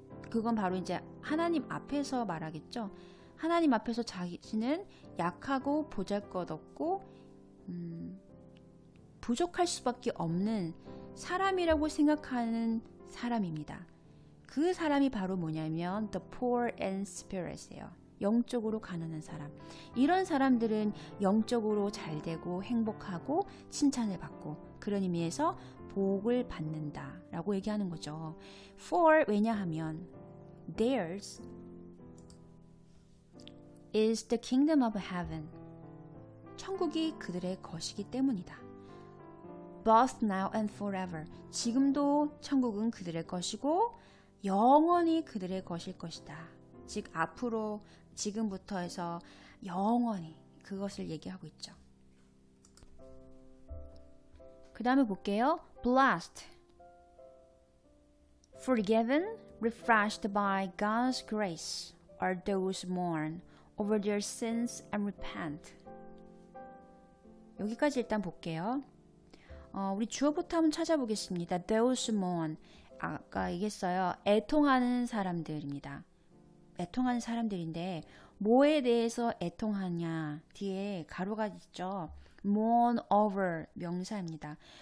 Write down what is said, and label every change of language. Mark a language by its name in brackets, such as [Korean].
[Korean] 그건 바로 이제 하나님 앞에서 말하겠죠. 하나님 앞에서 자신은 약하고 보잘것없고 부족할 수밖에 없는 사람이라고 생각하는 사람입니다. 그 사람이 바로 뭐냐면 [English] the poor in spirit [Korean] 예요. 영적으로 가난한 사람. 이런 사람들은 영적으로 잘 되고 행복하고 칭찬을 받고 그런 의미에서 복을 받는다 라고 얘기하는 거죠. [English] For [Korean] 왜냐하면 [English] theirs is the kingdom of heaven. [Korean] 천국이 그들의 것이기 때문이다. [English] Both now and forever. [Korean] 지금도 천국은 그들의 것이고 영원히 그들의 것일 것이다. 즉 앞으로 지금부터 해서 영원히 그것을 얘기하고 있죠. 그 다음에 볼게요. Blessed. [English] Forgiven, refreshed by God's grace are those mourn over their sins and repent. [Korean] 여기까지 일단 볼게요. 우리 주어부터 한번 찾아보겠습니다. [English] Those mourn. [Korean] 아까 얘기했어요. 애통하는 사람들입니다. 애통하는 사람들인데 뭐에 대해서 애통하냐 뒤에 가로가 있죠. [English] Mourn over [Korean] 명사입니다.